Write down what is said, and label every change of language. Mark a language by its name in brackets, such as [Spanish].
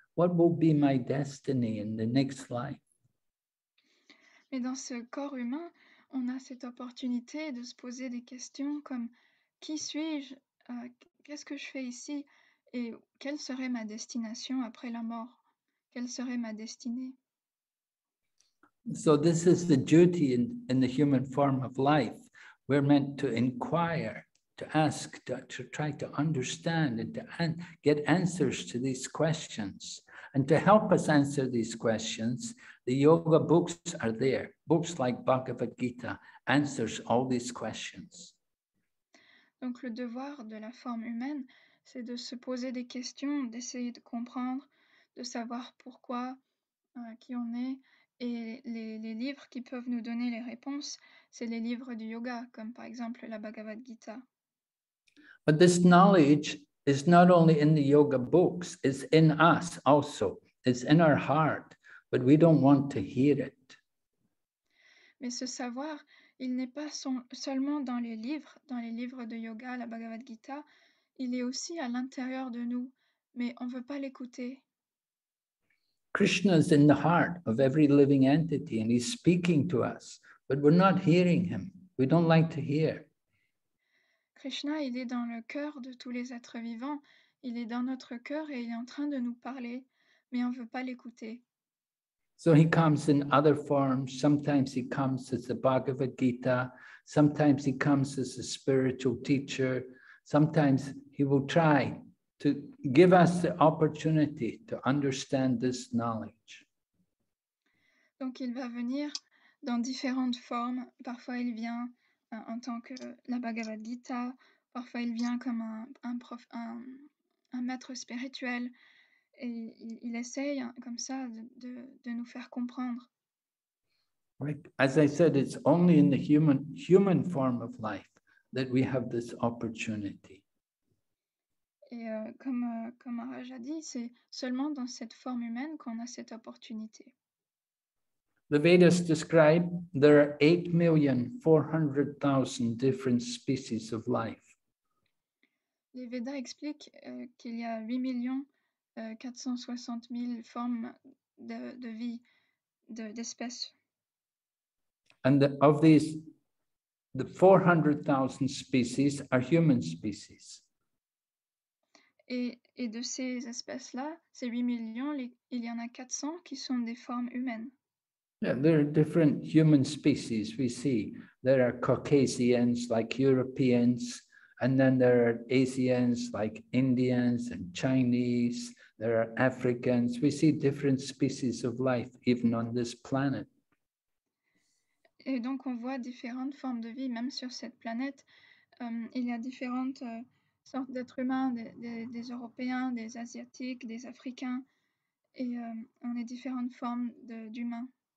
[English] What will be my destiny in the next life? [French] Mais dans ce corps humain, on a cette opportunité de se poser des questions comme qui suis-je, qu'est-ce que je fais ici et quelle serait ma destination après la mort, quelle serait ma destinée. [English] So this is the duty in the human form of life. We're meant to inquire, to ask, to try to understand and to get answers to these questions. And to help us answer these questions, the yoga books are there. Books like Bhagavad Gita answers all these questions. [French] Donc le devoir de la forme humaine, c'est de se poser des questions, d'essayer de comprendre, de savoir pourquoi, qui on est. Et les livres qui peuvent nous donner les réponses, c'est les livres du yoga, comme par exemple la Bhagavad Gita. [English] But this knowledge is not only in the yoga books, it's in us also. It's in our heart, but we don't want to hear it. [French] Mais ce savoir, il n'est pas seulement dans les livres de yoga, la Bhagavad Gita, Il est aussi à l'intérieur de nous, mais on ne veut pas l'écouter. [English] Krishna is in the heart of every living entity and he's speaking to us, but we're not hearing him. We don't like to hear. [French] Krishna, il est dans le cœur de tous les êtres vivants. Il est dans notre cœur et il est en train de nous parler, mais on ne veut pas l'écouter. [English] So he comes in other forms. Sometimes he comes as the Bhagavad Gita. Sometimes he comes as a spiritual teacher. Sometimes he will try to give us the opportunity to understand this knowledge. [French] Donc il va venir dans différentes formes. Parfois il vient en tant que la Bhagavad Gita. Parfois il vient comme un maître spirituel. Et il essaye comme ça de nous faire comprendre. [English] Like, as I said, it's only in the human form of life that we have this opportunity. [French] Et comme Maharaj a dit, c'est seulement dans cette forme humaine qu'on a cette opportunité. [English] The Vedas describe there are 8,400,000 different species of life. [French] Les Vedas expliquent qu'il y a 8,460,000 formes de vie, d'espèces. [English] And of these, the 400,000 species are human species. [French] Et de ces espèces-là, ces 8 millions, il y en a 400 qui sont des formes humaines. [English] Yeah, there are different human species we see. There are Caucasians like Europeans, and then there are Asians like Indians and Chinese. There are Africans. We see different species of life even on this planet. [French] Et donc on voit différentes formes de vie même sur cette planète. Il y a différentes sortes d'êtres humains, des Européens, des Asiatiques, des Africains, et on a différentes formes d'humains.